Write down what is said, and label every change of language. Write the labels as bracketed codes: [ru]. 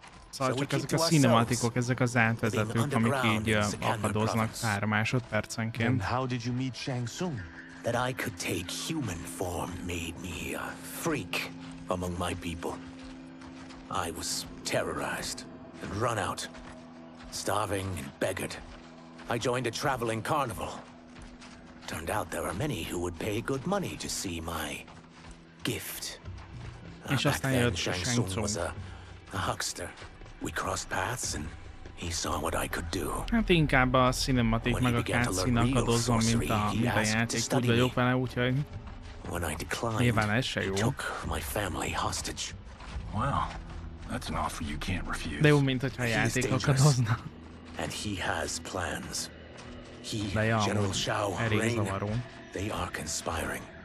[hu] Szóval csak ezek a cinematikok, ezek az átvezetők, amik így akadoznak pár másodpercenként. [en] Then how did you meet Shang Tsung? That I could take human form made me a freak among my people. I was terrorized and run out, starving and beggared. I joined a traveling carnival. Turned out there are many who would pay good money to see my gift. Back then, Shang Tsung was a huckster. We crossed paths and he saw what I could do. [hu] Hát inkább a cinematik meg a cutscene-nak adozom, mint a játék. Úgy vagyok vele, úgyhogy [en] when I declined, [hu] nyilván ez se jó. [en] He took my family hostage. Wow. That's an offer you can't refuse. [hu] De jó, mint hogyha játékokat hozna. [en] And he has plans. He, General Shao, Rain, they are conspiring.